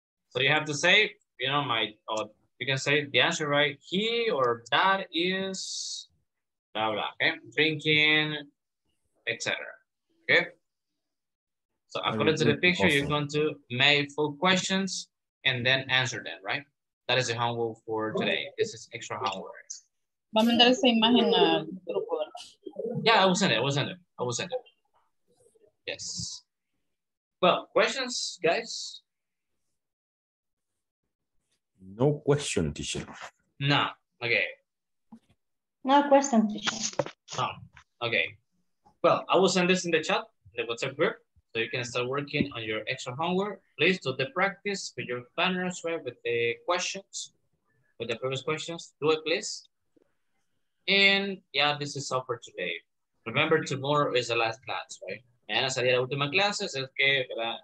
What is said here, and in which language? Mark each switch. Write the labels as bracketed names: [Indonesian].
[English] So you have to say, you know, you can say the answer, right? He or that is blah, blah, okay? Drinking, etc. Okay? So according to the picture, awesome. You're going to make full questions and then answer them, right? That is the homework for today. This is extra homework. [Spanish] Va a mandar esa imagen al grupo, ¿verdad? [English] Yeah, I will send it. Yes. Well, questions, guys? No question, teacher. No, okay. No question, teacher. No, okay. Well, I will send this in the chat, the WhatsApp group. So you can start working on your extra homework. Please do the practice with your partners, right? With the questions, with the previous questions. Do it, please. And yeah, this is all for today. Remember, tomorrow is the last class, right? [Spanish] me van a salir a la última clase, es que, ¿verdad?